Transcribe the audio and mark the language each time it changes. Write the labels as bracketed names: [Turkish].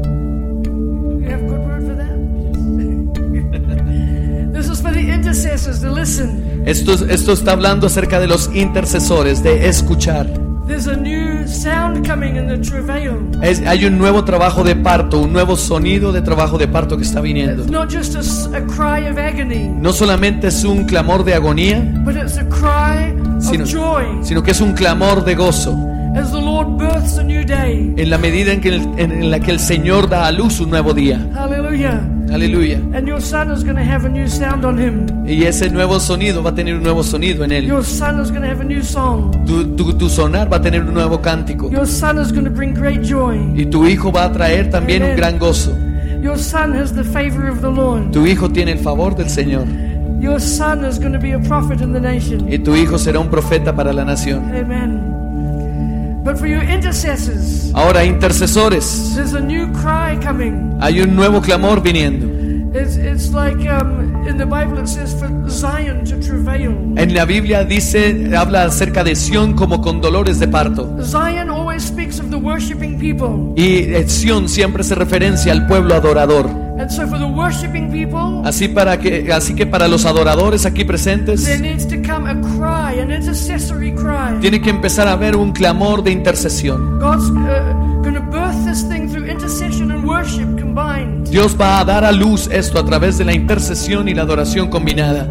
[English] You have a good word for that? Yes. This is for the intercessors to listen. [Spanish] Esto está hablando acerca de los intercesores, de escuchar. [English] There's a new sound coming in the travail. [Spanish] Hay un nuevo trabajo de parto, un nuevo sonido de trabajo de parto que está viniendo. [English] It's not just a cry of agony. [Spanish] No solamente es un clamor de agonía, [English] but it's a cry of joy. [Spanish] Sino que es un clamor de gozo. [English] As the Lord births a new day. [Spanish] En la medida en la que el Señor da a luz un nuevo día. [English] Hallelujah. Hallelujah. And your son is going to have a new sound on him. [Spanish] Y ese nuevo sonido va a tener un nuevo sonido en él. [English] Your son is going to have a new song. [Spanish] Tu sonar va a tener un nuevo cántico. [English] Your son is going to bring great joy. [Spanish] Y tu hijo va a traer también Amen. Un gran gozo. [English] Your son has the favor of the Lord. [Spanish] Tu hijo tiene el favor del Señor. [English] Your son is going to be a prophet in the nation. [Spanish] Y tu hijo será un profeta para la nación. [English] Amen. But for your intercessors. [Spanish] Ahora intercesores. [English] There's a new cry coming. [Spanish] Hay un nuevo clamor viniendo. [English] It's like in the Bible it says for Zion to travail. [Spanish] En la Biblia dice habla acerca de Sion como con dolores de parto. [English] Zion always speaks of the worshiping people. [Spanish] Y Sion siempre se referencia al pueblo adorador. [English] And so for the worshiping people. [Spanish] Así que para los adoradores aquí presentes. [English] There needs to come a cry, an intercessory cry. [Spanish] Tiene que empezar a haber un clamor de intercesión. [English] God's going to birth this thing through intercession and worship combined. [Spanish] Dios va a dar a luz esto a través de la intercesión y la adoración combinada.